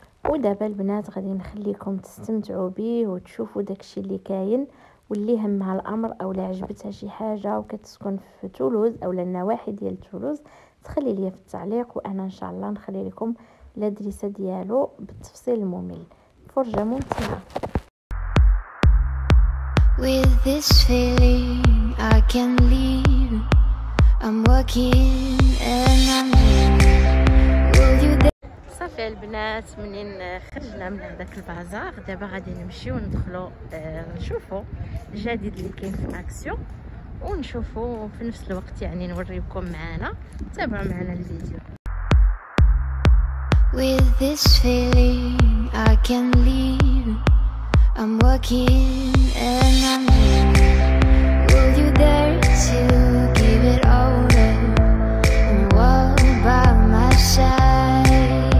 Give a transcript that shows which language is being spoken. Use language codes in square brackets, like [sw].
[ar] ودابا البنات غادي نخليكم تستمتعوا به وتشوفوا داكشي اللي كاين، واللي همها الامر اولا عجبتها شي حاجه وكتسكن في تولوز اولا النواحي ديال تولوز، تخلي لي في التعليق وانا ان شاء الله نخلي لكم الادريسة ديالو بالتفصيل الممل. فرجة ممتعة. [en] With this feeling I can leave. I'm working and I'm [ar] صافي البنات، منين خرجنا من هذاك البازار دابا غادي نمشيو ندخلو نشوفو الجديد اللي كاين في اكسيون، ونشوفو في نفس الوقت يعني نوريكم معانا. تابعوا معنا الفيديو. [en] With this feeling I can leave. I'm working and I'm leaving. Will you dare to give it all up and walk by my side?